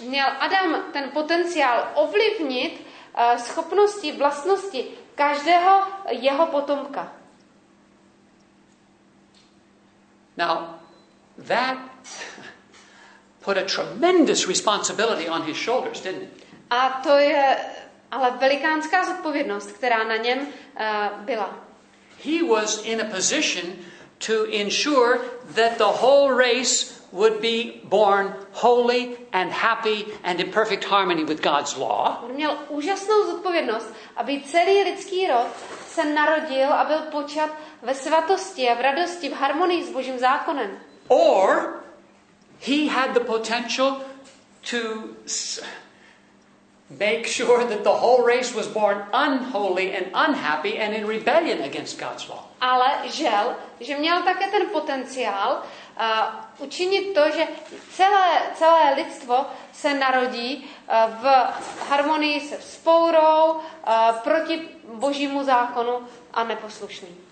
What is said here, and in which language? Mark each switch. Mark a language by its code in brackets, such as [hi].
[cs] Měl Adam ten potenciál ovlivnit schopnosti, vlastnosti každého jeho potomka. [en] Now, that put a tremendous responsibility on his shoulders, didn't it? [cs] A to je ale velikánská zodpovědnost, která na něm byla. [en] He was in a position to ensure that the whole race would be born holy and happy and in perfect harmony with God's law. [cs] On měl úžasnou zodpovědnost, aby celý lidský rod se narodil a byl počat ve svatosti a v radosti, v harmonii s Božím zákonem. [en] Or he had the potential to make sure that the whole race was born unholy and unhappy and in rebellion against God's law. [cs] Ale žel, že měl také ten potenciál učinit to, že celé lidstvo se narodí v harmonii se vzpourou, proti Božímu zákonu a neposlušný.